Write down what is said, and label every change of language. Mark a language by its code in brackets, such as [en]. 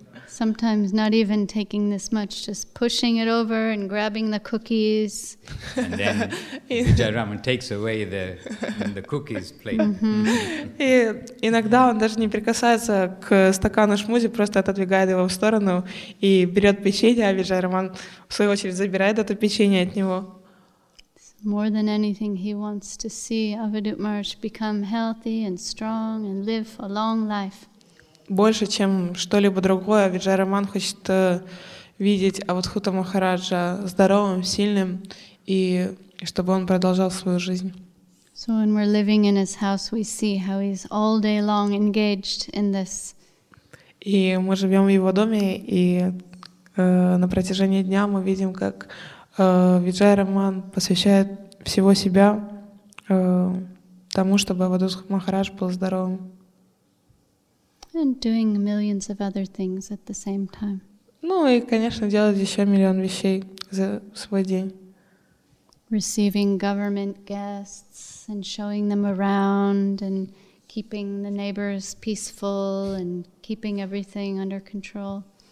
[en] Sometimes not even taking this much, just pushing it over and grabbing the cookies. And then Vijay Raman takes away the cookies plate. [ru] И иногда он даже не прикасается к стакану шмузи, просто отодвигает его в сторону и берет печенье, а Vijay Raman в свою очередь забирает это печенье от него. [en] More than anything, he wants to see Avadhut Maharaj become healthy and strong and live a long life. [ru] Больше, чем что-либо другое, Виджай Роман хочет видеть Аватхута Махараджа здоровым, сильным, и чтобы он продолжал свою жизнь. [en] So when we're living in his house, we see how he's all day long engaged in this. [ru] И мы живем в его доме, и на протяжении дня мы видим, как Виджай Роман посвящает всего себя тому, чтобы Аватхут Махарадж был здоровым. [en] And doing millions of other things at the same time. [ru] Ну и, конечно, делать еще миллион вещей за свой день. [en] Receiving government guests and showing them around and keeping the neighbors peaceful and keeping everything under control.